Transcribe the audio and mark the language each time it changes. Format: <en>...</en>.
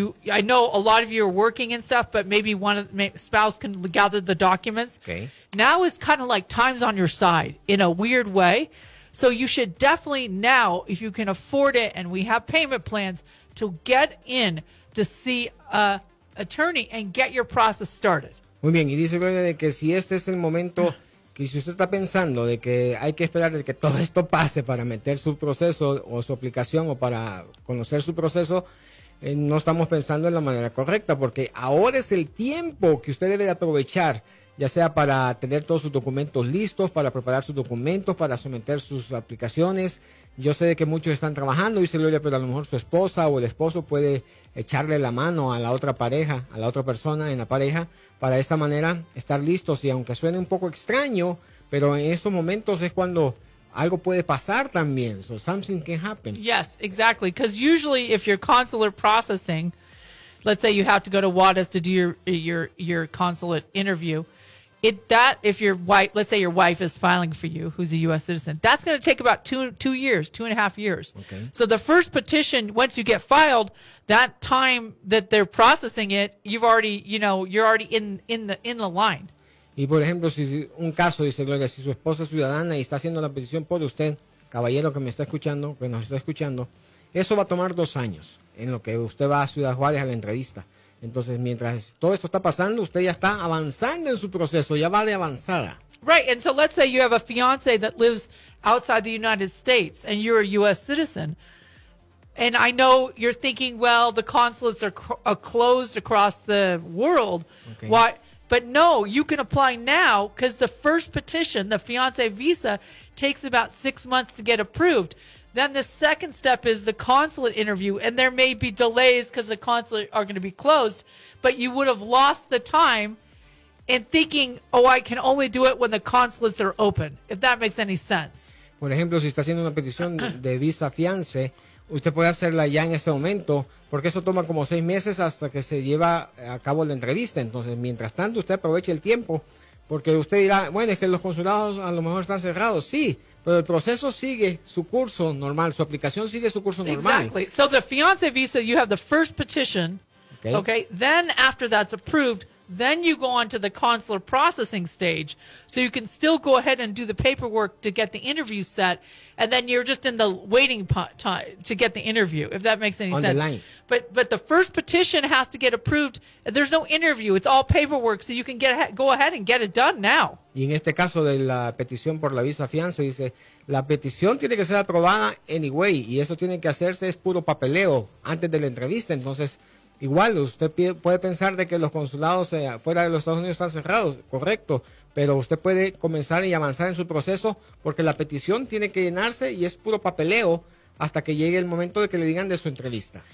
<en>I know a lot of you are working and stuff, but maybe spouse can gather the documents. Okay. Now is kind of like time's on your side in a weird way. So you should definitely now, if you can afford it and we have payment plans, to get in to see a attorney and get your process started.</en> <es>Muy bien. Y dice Gloria de que si este es el momento... Y si usted está pensando de que hay que esperar de que todo esto pase para meter su proceso o su aplicación o para conocer su proceso, no estamos pensando en la manera correcta, porque ahora es el tiempo que usted debe de aprovechar, ya sea para tener todos sus documentos listos, para preparar sus documentos, para someter sus aplicaciones. Yo sé de que muchos están trabajando, dice Gloria, pero a lo mejor su esposa o el esposo puede echarle la mano a la otra pareja, a la otra persona en la pareja, para de esta manera estar listos. Y aunque suene un poco extraño, pero en estos momentos es cuando algo puede pasar también.</es> <en>So something can happen. Yes, exactly. Because usually if you're consular processing, let's say you have to go to WADAS to do your consulate interview, let's say your wife is filing for you, who's a U.S. citizen, that's going to take about two and a half years. Okay. So the first petition, once you get filed, that time that they're processing it, you're already in the line.</en> <es>Y por ejemplo, si un caso, dice Gloria, si su esposa es ciudadana y está haciendo la petición por usted, caballero que me está escuchando, que nos está escuchando, eso va a tomar 2 años en lo que usted va a Ciudad Juárez a la entrevista. Entonces, mientras todo esto está pasando, usted ya está avanzando en su proceso, ya va de avanzada.</es> <en>Right, and so let's say you have a fiance that lives outside the United States and you're a U.S. citizen. And I know you're thinking, well, the consulates are closed across the world. Okay. Why? But no, you can apply now because the first petition, the fiance visa, takes about 6 months to get approved. Then the second step is the consulate interview, and there may be delays because the consulate are going to be closed, but you would have lost the time in thinking, oh, I can only do it when the consulates are open, if that makes any sense.</en> <es>Por ejemplo, si está haciendo una petición de visa fiance, usted puede hacerla ya en este momento, porque eso toma como 6 meses hasta que se lleva a cabo la entrevista. Entonces, mientras tanto, usted aproveche el tiempo. Porque usted dirá, bueno, es que los consulados a lo mejor están cerrados. Sí, pero el proceso sigue su curso normal. Su aplicación sigue su curso normal.</es> <en>Exactly. So the fiance visa, you have the first petition. Okay. Then after that's approved, Then you go on to the consular processing stage. So you can still go ahead and do the paperwork to get the interview set. And then you're just in the waiting time to get the interview, if that makes any on sense. The line. But the first petition has to get approved. There's no interview. It's all paperwork. So you can get go ahead and get it done now.</en> <es>Y en este caso de la petición por la visa fianza, dice, la petición tiene que ser aprobada anyway. Y eso tiene que hacerse, es puro papeleo, antes de la entrevista. Entonces, igual, usted puede pensar de que los consulados fuera de los Estados Unidos están cerrados, correcto. Pero usted puede comenzar y avanzar en su proceso, porque la petición tiene que llenarse y es puro papeleo hasta que llegue el momento de que le digan de su entrevista.</es>